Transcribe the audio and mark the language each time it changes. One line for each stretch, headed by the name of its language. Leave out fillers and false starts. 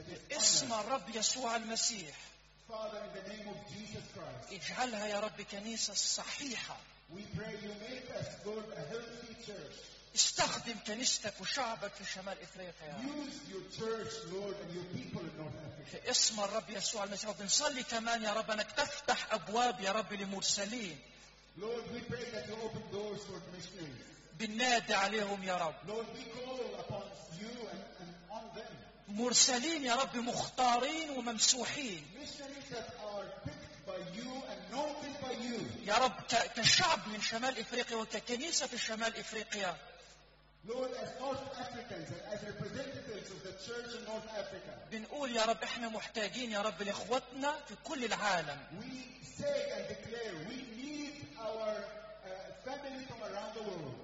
Arabic: اسم الرب يسوع المسيح اجعلها يا رب كنيسة صحيحة. استخدم كنيستك وشعبك في شمال إفريقيا.
English: Use your church, Lord, and your people in North Africa.
Arabic: في اسم الرب يسوع المسيح. نصلي كمان يا رب أنك تفتح أبواب يا رب لمرسلين.
English: Lord, we pray that you open doors for missionaries.
Arabic: بننادي عليهم يا رب.
English: Lord, we call upon you and on them.
Arabic: مرسلين يا رب مختارين وممسوحين.
English: Missionaries that are picked by you and known by you.
Arabic: يا رب كشعب من شمال إفريقيا وككنيسة في شمال إفريقيا.
English: Lord, as North Africans and as representatives of the Church in North Africa.
Arabic: بنقول يا رب إحنا محتاجين يا رب لإخوتنا في كل العالم.
English: We say and declare we need our family from around the world.